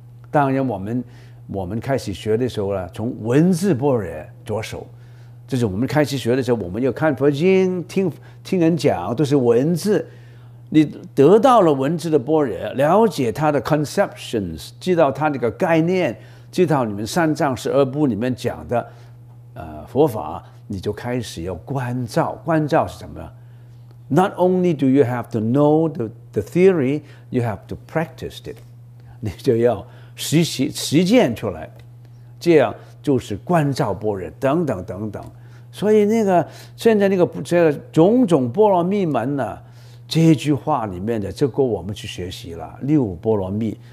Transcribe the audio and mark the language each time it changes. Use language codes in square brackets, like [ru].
[zh] 当然我们开始学的时候呢，从文字般若着手，就是我们开始学的时候，我们要看佛经、听人讲，都是文字。你得到了文字的般若，了解它的 conceptions， 知道它那个概念，知道你们三藏十二部里面讲的佛法，你就开始要观照。观照是什么？ [en] Not only do you have to know the theory, you have to practice it. [zh] 你就要实践出来，这样就是观照般若等等等等。所以那个现在那个这个种种般若蜜门呢，这句话里面的，这个我们去学习了六般若蜜。